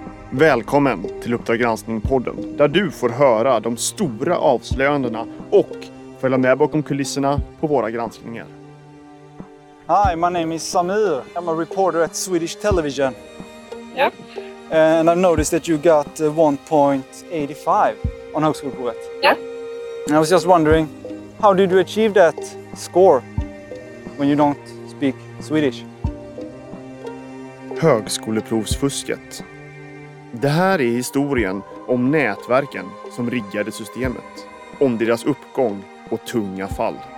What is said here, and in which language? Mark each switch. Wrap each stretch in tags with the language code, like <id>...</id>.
<sv>Välkommen till Uppdraggranskning-podden, där du får höra de stora avslöjandena och följa med bakom kulisserna på våra granskningar.</sv> <en>Hi, my name is Samir. I'm a reporter at Swedish Television. Yep. And I've noticed that you got 1.85 on Högskoleprovet. Yeah. And I was just wondering, how did you achieve that score when you don't speak Swedish?</en> <sv>Högskoleprovsfusket. Det här är historien om nätverken som riggade systemet, om deras uppgång och tunga fall.</sv>